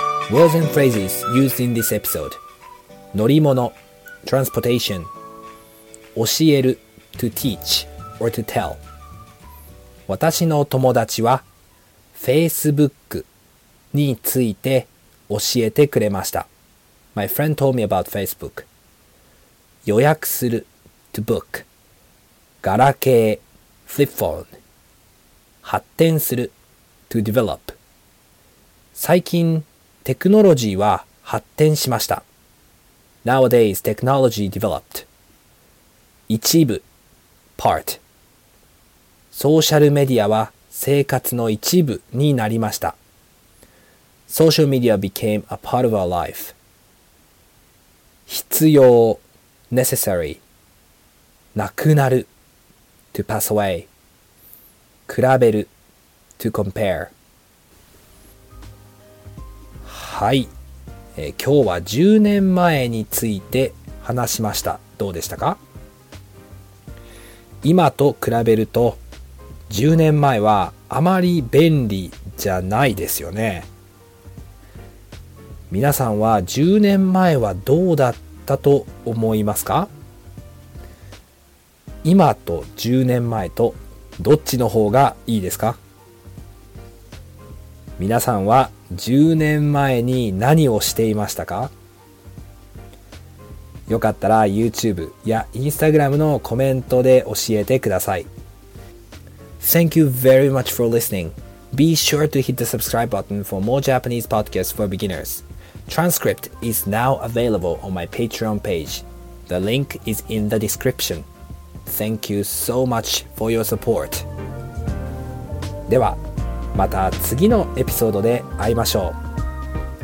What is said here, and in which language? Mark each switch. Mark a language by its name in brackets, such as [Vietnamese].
[English] Words and phrases used in this episode: 乗り物 transportation、 教える to teach or to tell。 [Japanese] 私の友達は Facebook について教えてくれました。 [English] My friend told me about Facebook。予約する to book、 ガラケー flip phone、発展する to develop。 [Japanese] 最近テクノロジーは発展しました。 [English] Nowadays technology developed。 一部 part。 [Japanese] ソーシャルメディアは生活の一部になりました。 [English] Social media became a part of our life。必要 necessary。なくなる to pass away。 比べるto compare。 [Japanese] はい、今日は10年前について話しました。どうでしたか？今と比べると10年前はあまり便利じゃないですよね。皆さんは10年前はどうだったと思いますか？今と10年前とどっちの方がいいですか？皆さんは10年前に何をしていましたか？よかったら YouTube や Instagram のコメントで教えてください。 [English] Thank you very much for listening. Be sure to hit the subscribe button for more Japanese podcasts for beginners. Transcript is now available on my Patreon page. The link is in the description. Thank you so much for your support. [Japanese] では、また次のエピソードで会いましょう。